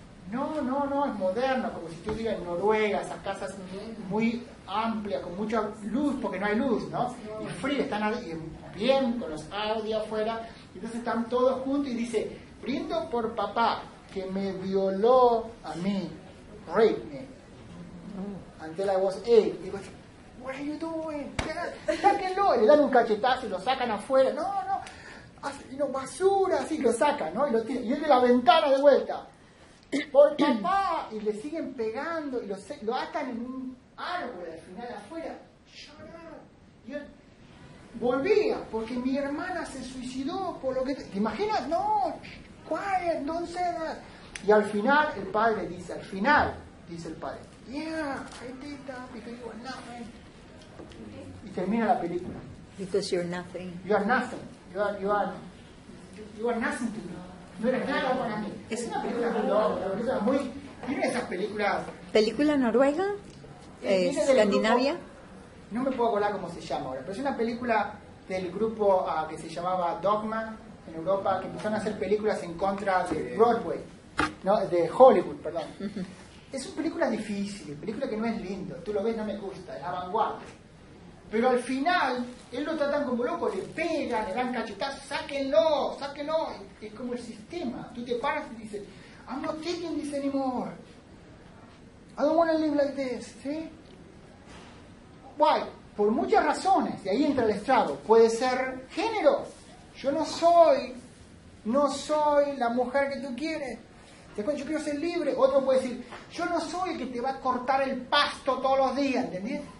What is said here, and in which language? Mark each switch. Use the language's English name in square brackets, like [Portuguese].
[Spanish] No, es moderno, como si tú digas en Noruega, esas casas muy amplias, con mucha luz, porque no hay luz, ¿no? Y frío, están bien, con los audios afuera. Entonces están todos juntos y dice, brindo por papá, que me violó a mí. [English] Rape me. Until I was 8. [Spanish] Y digo, [English] what are you doing? [Spanish] Sáquenlo. Y le dan un cachetazo y lo sacan afuera. No. Y no, basura, así lo sacan, ¿no? Y lo tiran. Y es de la ventana de vuelta. Por papá. Y le siguen pegando y lo atan en un árbol al final afuera. Y él volvía porque mi hermana se suicidó por lo que. ¿Te imaginas? No. [English] Quiet, don't say that. [Spanish] Y al final el padre dice, al final dice el padre, [English] yeah, I did that because you are nothing. [Spanish] Y termina la película. [English] Because you're nothing. You are nothing. You are nothing to me. [Spanish] No eres nada para mí. Es una película muy loca, una película muy. ¿Tiene esas películas? ¿Película noruega? ¿Escandinavia? No me puedo acordar cómo se llama ahora, pero es una película del grupo que se llamaba Dogma en Europa, que empezaron a hacer películas en contra de Broadway. No, de Hollywood, perdón. Uh-huh. Es una película difícil, una película que no es lindo. Tú lo ves, no me gusta, es la vanguardia. Pero al final, él lo tratan como loco, le pegan, le dan cachetazos, sáquenlo. Es como el sistema. Tú te paras y dices, [English] I'm not taking this anymore. I don't want to live like this, [Spanish] ¿sí? [English] Why? [Spanish] Por muchas razones, y ahí entra el estrado, puede ser género. Yo no soy la mujer que tú quieres. Yo quiero ser libre. Otro puede decir, yo no soy el que te va a cortar el pasto todos los días, ¿entendés?